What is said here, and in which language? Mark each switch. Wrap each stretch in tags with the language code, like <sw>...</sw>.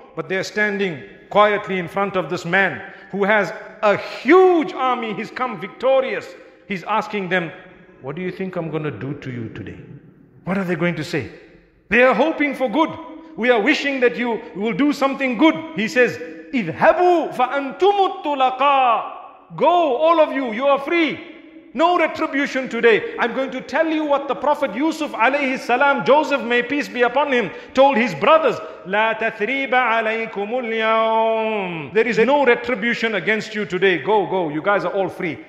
<en>But they're standing quietly in front of this man who has a huge army. He's come victorious. He's asking them, what do you think I'm going to do to you today? What are they going to say? They are hoping for good. We are wishing that you will do something good.</en> <ar>He says, اذهبوا فأنتم الطلقاء.</ar> <en>Go, all of you, you are free. No retribution today. I'm going to tell you what the Prophet Yusuf alayhi salam, Joseph may peace be upon him, told his brothers,</en> <ar>لا تثريب عليكم اليوم.</ar> <en>There is no retribution against you today. Go, go, you guys are all free.</en>